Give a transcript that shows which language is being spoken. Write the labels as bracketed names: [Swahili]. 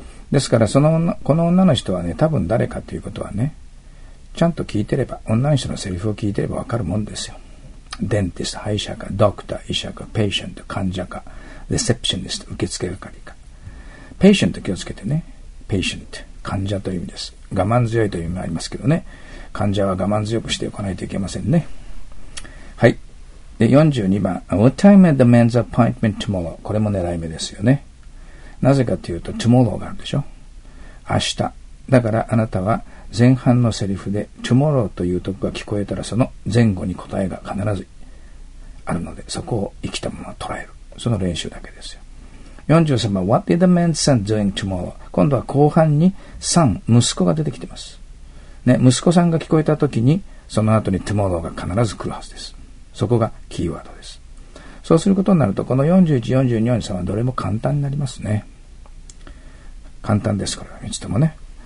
[Japanese] ですからその女、この女の人はね、多分誰かということはね、ちゃんと聞いてれば、女の人のセリフを聞いてればわかるもんですよ。 Dentist、歯医者か、Doctor、医者か、Patient、患者か、Receptionist、受付係か。 Patient 気をつけてね。Patient、 患者という意味です。我慢強いという意味がありますけどね、患者は我慢強くしておかないといけませんね。はい、で42番、 [English] What time is the men's appointment tomorrow? [Japanese] これも狙い目ですよね。なぜかというと、tomorrow があるでしょ。明日。だからあなたは前半のセリフで tomorrow というとこが聞こえたら、その前後に答えが必ずあるので、そこを生きたまま捉える。その練習だけですよ。 43番、 [English] What did the men's son doing tomorrow? [Japanese] 今度は後半に son、息子が出てきてます。ね、息子さんが聞こえたときに、その後に tomorrow が必ず来るはずです。そこがキーワードです。そうすることになると、この41、42、43はどれも簡単になりますね。簡単です、これは。いつともね。